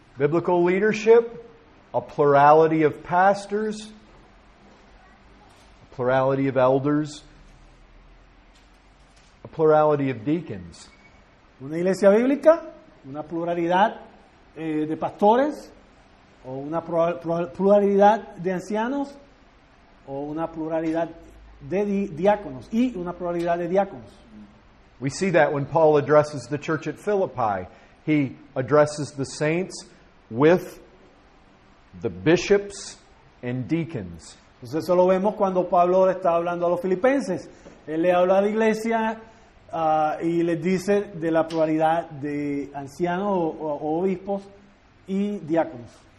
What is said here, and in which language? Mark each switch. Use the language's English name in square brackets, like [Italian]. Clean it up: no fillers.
[English] Biblical leadership, a plurality of pastors, a plurality of elders, a plurality of deacons. [Spanish] Una iglesia bíblica, una pluralidad de pastores, o una pluralidad de ancianos, o una pluralidad de diáconos, y una pluralidad de diáconos. [English] We see that when Paul addresses the church at Philippi. He addresses the saints with the bishops and deacons. [Spanish] Pues eso lo vemos cuando Pablo está hablando a los filipenses. Él le habla a la iglesia y les dice de la pluralidad de ancianos o obispos y diáconos.